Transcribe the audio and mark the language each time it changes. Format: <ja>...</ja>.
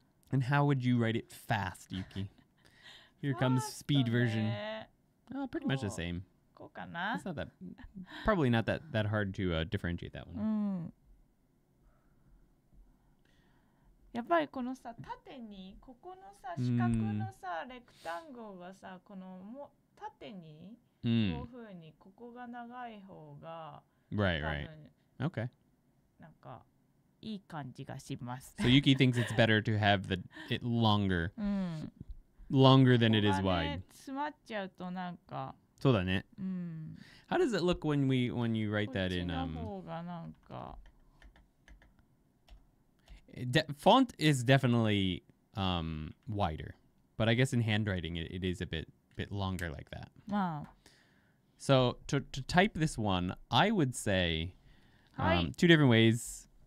<en>And how would you write it fast, Yuki? Here comes speed version. Oh, pretty much the same. It's not that, probably not that hard to differentiate that one.</en> <ja>やっぱりこのさ縦にここのさ四角のさレクタングルがさこのも縦にこういう風にここが長い方が</ja> <en>right, 多分 right. Okay.</en> <ja>なんかいい感じがします。</ja> <en>So Yuki thinks it's better to have it longer, longer than it is wide.</en> <ja>ここがね詰まっちゃうとなんか。そうだね。</ja> <en>How does it look when you write that in</en> <ja>こっちの方がなんか。</ja> <en>Font is definitely wider, but I guess in handwriting it is a bit longer like that. Wow. So to type this one, I would say two different ways.</en>